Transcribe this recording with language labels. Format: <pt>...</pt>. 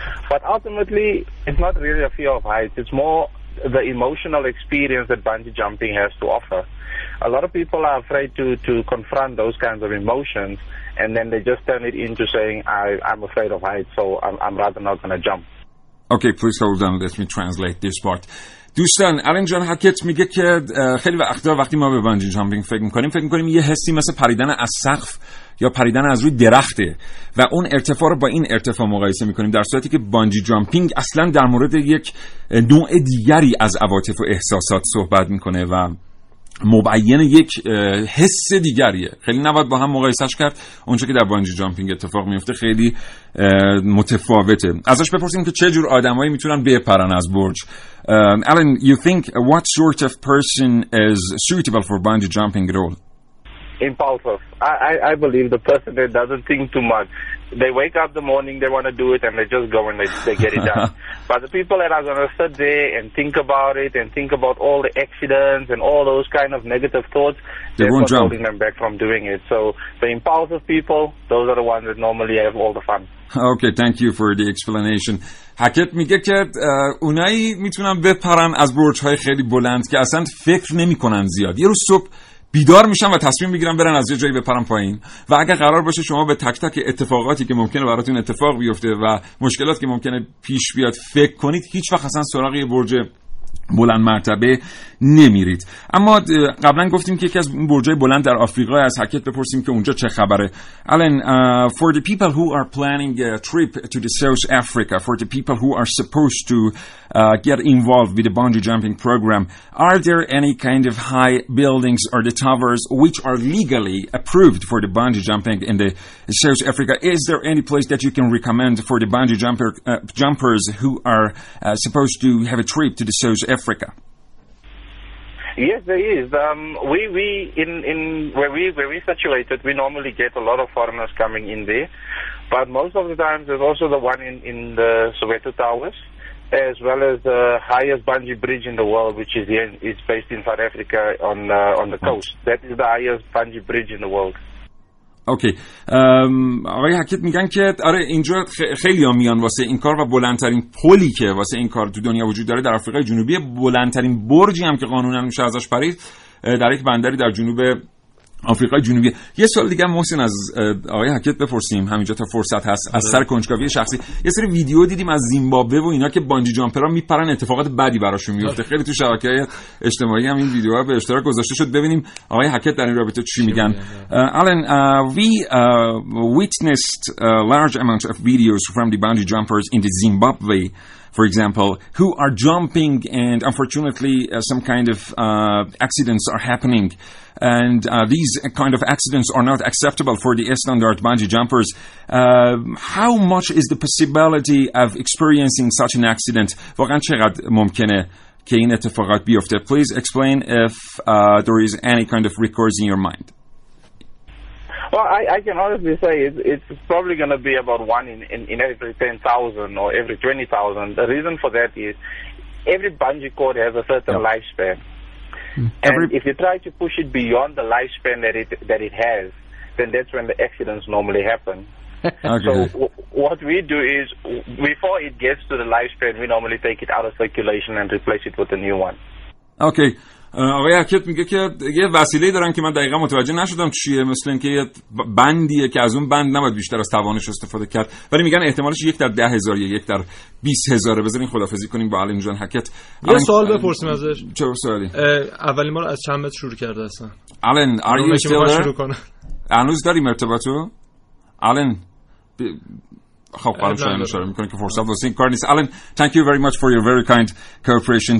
<en>But ultimately, it's not really a fear of heights. It's more the emotional experience that bungee jumping has to offer. A lot of people are afraid to confront those kinds of emotions, and then they just turn it into saying, I'm afraid of heights, so I'm rather not going to jump. Okay, please hold on. Let me translate this part.</en> <fa>دوستان، آلن جان هکت میگه که خیلی وقتا وقتی ما به بانجی جامپینگ فکر میکنیم یه حسی مثل پریدن از سقف یا پریدن از روی درخته و اون ارتفاع رو با این ارتفاع مقایسه میکنیم، در صورتی که بانجی جامپینگ اصلا در مورد یک نوع دیگری از عواطف و احساسات صحبت میکنه و مبین یک حس دیگریه. خیلی نباید با هم مقایسهش کرد. اونچه که در بانجی جامپینگ اتفاق میفته خیلی متفاوته. ازش بپرسیم که چه جور آدمایی میتونن بپرن از برج.</fa> <en>Alan, you think what sort of person is suitable for bungee jumping role? Impulsive. I believe the person that doesn't think too much. They wake up the morning, they want to do it, and they just go and they get it done. But the people that are going to sit there and think about it and think about all the accidents and all those kind of negative thoughts, they're holding them back from doing it. So the impulsive people, those are the ones that normally have all the fun. Okay, thank you for the explanation.</en> <fa>حکت میگه که اونایی میتونن بپرن از برج‌های خیلی بلند که اصلا فکر نمی‌کنن زیاد. یه روز صبح بیدار میشن و تصمیم میگیرن برن از یه جایی بپرن پایین، و اگه قرار باشه شما به تک تک اتفاقاتی که ممکنه براتون اتفاق بیفته و مشکلاتی که ممکنه پیش بیاد فکر کنید، هیچ وقت اصلا سراغ یه برج بلند مرتبه نمیرید. اما قبلا گفتیم که یکی از برج‌های بلند در آفریقا، از حکت بپرسیم که اونجا چه خبره.</fa> <en>Alan, for the people who are planning a trip to the South Africa, for the people who are supposed to get involved with the bungee jumping program, are there any kind of high buildings or the towers which are legally approved for the bungee jumping in the South Africa? Is there any place that you can recommend for the bungee jumpers who are supposed to have a trip to the South Africa? Yes, there is. Where we're situated, we normally get a lot of foreigners coming in there. But most of the times, there's also the one in the Soweto Towers, as well as the highest bungee bridge in the world, which is here, it's based in South Africa on the coast. That is the highest bungee bridge in the world.</en> <fa>اوکی. آقای حکیت میگن که آره، اینجا خیلی ها میان واسه این کار، و بلندترین پلی که واسه این کار تو دنیا وجود داره در آفریقای جنوبی، بلندترین برجی هم که قانونا میشه ازش پرید در یک بندری در جنوب آفریقای جنوبی. یه سوال دیگه محسن از آقای حکیت بپرسیم همینجا تا فرصت هست. از سر کنجکاوی شخصی، یه سری ویدیو دیدیم از زیمبابوه و اینا که بانجی جامپرا میپرن، اتفاقات بدی براشون میفته. خیلی تو شبکه‌های اجتماعی هم این ویدیوها به اشتراک گذاشته شد. ببینیم آقای حکیت در این رابطه چی میگن.</fa> <en>Alan, we witnessed a large amount of videos from the bungee jumpers in the Zimbabwe, for example, who are jumping and unfortunately some kind of accidents are happening. And these kind of accidents are not acceptable for the standard bungee jumpers. How much is the possibility of experiencing such an accident?</en> <fa>واقعاً چقدر ممکنه که این اتفاقات بیفته؟</fa> <en>Please explain if there is any kind of recourse in your mind. Well, I can honestly say it's probably going to be about one in every 10,000 or every 20,000. The reason for that is every bungee cord has a certain lifespan. And if you try to push it beyond the lifespan that it has, then that's when the accidents normally happen. Okay. So what we do is, before it gets to the lifespan, we normally take it out of circulation and replace it with a new one. Okay.</en> <fa>آقای حکیت میگه که یه وسیله‌ای دارن که من دقیقا متوجه نشدم چیه، مثل اینکه یه بندیه که از اون بند نباید بیشتر از توانش استفاده کرد، ولی میگن احتمالش 1 در 10,000 یا 1 در 20,000. بذارین خدافظی کنیم با علیم جان حکیت. یه سوال بپرسیم ازش. چه سوالی؟ اولین بار از چند متر شروع کرده هستن؟</fa> <en>Alan, are you still there?</en> <fa>هنوز داریم ارتباطو؟</fa> <en>Alan</en> <fa>خب قرارم شاید اشاره میکنه که فرصت واسه این کار نیست.</fa> <en>Alan, thank you very much for your very kind cooperation.</en>